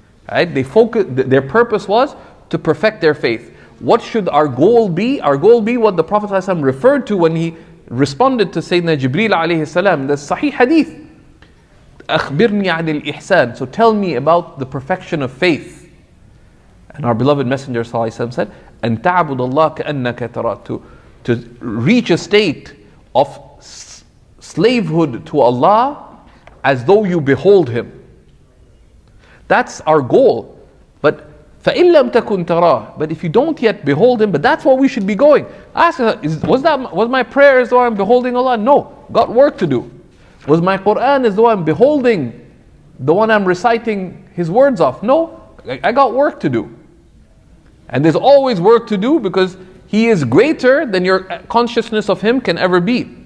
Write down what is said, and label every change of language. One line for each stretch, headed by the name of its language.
English: Right? They focus, their purpose was to perfect their faith. What should our goal be? Our goal be what the Prophet ﷺ referred to when he responded to Sayyidina Jibreel alayhi salam, the Sahih Hadith.
Arabic: أخبرني عن الإحسان.
English: So tell me about the perfection of faith. And our beloved Messenger ﷺ said,
Arabic: أن تعبد الله كأنك ترى.
English: To reach a state of slavehood to Allah as though you behold Him. That's our goal.
Arabic: But فإن لم تكن ترى.
English: But if you don't yet behold Him, but that's where we should be going. Ask, was my prayer as though I'm beholding Allah? No, got work to do. Was my Qur'an as though I'm beholding the one I'm reciting his words of? No, I got work to do. And there's always work to do because he is greater than your consciousness of him can ever be.